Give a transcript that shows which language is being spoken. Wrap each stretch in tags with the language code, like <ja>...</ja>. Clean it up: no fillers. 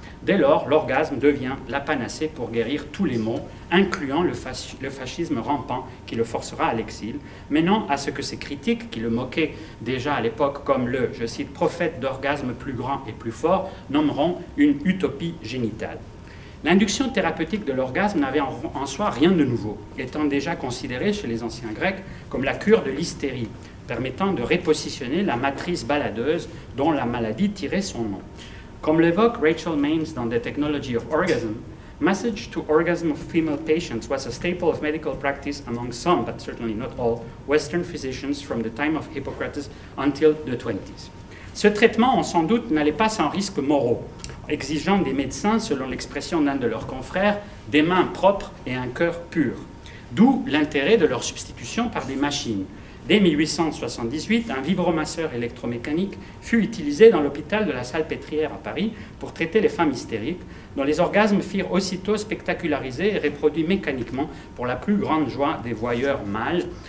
<fr>Dès lors, l'orgasme devient la panacée pour guérir tous les maux, incluant le fascisme rampant qui le forcera à l'exil, menant à ce que ses critiques, qui le moquaient déjà à l'époque comme le, je cite, prophète d'orgasme plus grand et plus fort, nommeront une utopie génitale. L'induction thérapeutique de l'orgasme n'avait en soi rien de nouveau, étant déjà considérée chez les anciens Grecs comme la cure de l'hystérie, permettant de repositionner la matrice baladeuse dont la maladie tirait son nom. Comme l'évoque Rachel Maines dans</fr> <en>The Technology of Orgasm, massage to orgasm of female patients was a staple of medical practice among some, but certainly not all, Western physicians from the time of Hippocrates until the 20s.</en> <fr>Ce traitement, on s'en doute, n'allait pas sans risques moraux, exigeant des médecins, selon l'expression d'un de leurs confrères, des mains propres et un cœur pur. D'où l'intérêt de leur substitution par des machines. Dès 1878, un vibromasseur électromécanique fut utilisé dans l'hôpital de la Salpêtrière à Paris pour traiter les femmes hystériques, dont les orgasmes furent aussitôt spectacularisés et reproduits mécaniquement pour la plus grande joie des voyeurs mâles.</fr>